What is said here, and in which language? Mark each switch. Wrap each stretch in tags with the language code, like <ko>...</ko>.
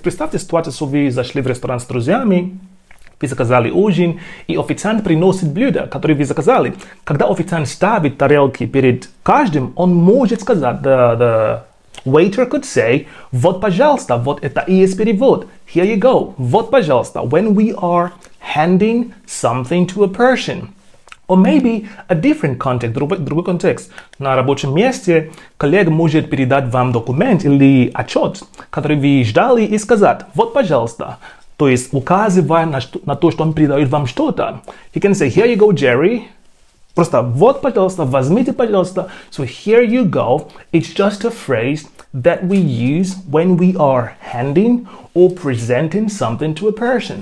<ru>Представьте ситуацию, что вы зашли в ресторан с друзьями, вы заказали ужин, и официант приносит блюда, которые вы заказали. Когда официант ставит тарелки перед каждым, он может сказать,</ru> <en>the waiter could say,</en> <ru>вот пожалуйста, вот это и есть перевод.</ru> <en>Here you go.</en> <ru>Вот пожалуйста.</ru> <en>When we are handing something to a person. Or maybe a different context,</en> <ru>другой контекст. На рабочем месте коллега может передать вам документ или отчет, который вы ждали, и сказать, вот пожалуйста. То есть указывая на то, что он передает вам что-то.</ru> <en>He can say, here you go, Jerry.</en> <ru>Просто вот пожалуйста, возьмите пожалуйста.</ru> <en>So here you go. It's just a phrase that we use when we are handing or presenting something to a person.</en>